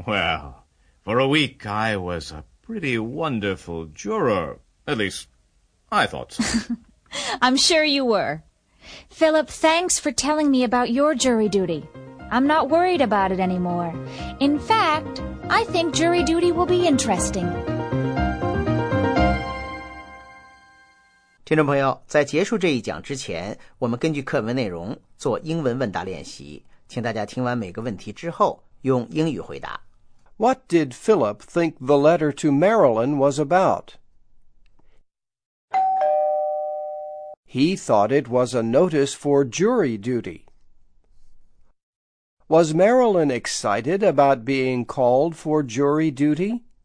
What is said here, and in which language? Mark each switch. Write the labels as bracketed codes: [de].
[en] Well, for a week, I was a pretty wonderful juror. At least, I thought so. I'm sure you were. Philip, thanks for telling me about your jury duty. I'm not worried about it anymore. In fact, I think jury duty will be interesting. [zh] 听众朋友，在结束这一讲之前，我们根据课文内容做英文问答练习，请大家听完每个问题之后用英语回答。 [en] What did Philip think the letter to Marilyn was about? He thought it was a notice for jury duty. Was Marilyn excited about being called for jury duty?